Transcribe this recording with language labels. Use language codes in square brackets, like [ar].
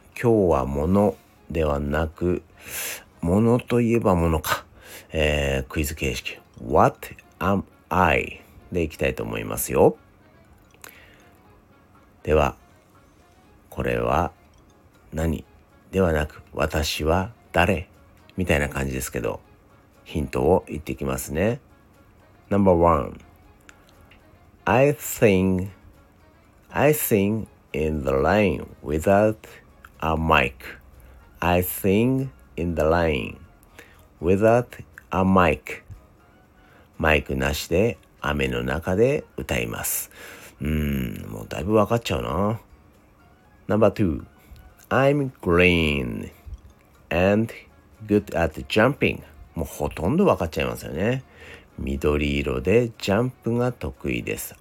[ja] 今日は物ではなく、物といえば物か、クイズ形式 [en] What am I? [ja] でいきたいと思いますよ。ではこれは何ではなく、私は誰みたいな感じですけど、ヒントを言っていきますね。 [en] Number one, I sing in the rain without a mic. I sing in the rain without a mic. [ja] マイクなしで雨の中で歌います。もうだいぶわかっちゃうな。 [en] Number two, I'm green and good at jumping. [ja] もうほとんどわかっちゃいますよね。緑色でジャンプが得意です。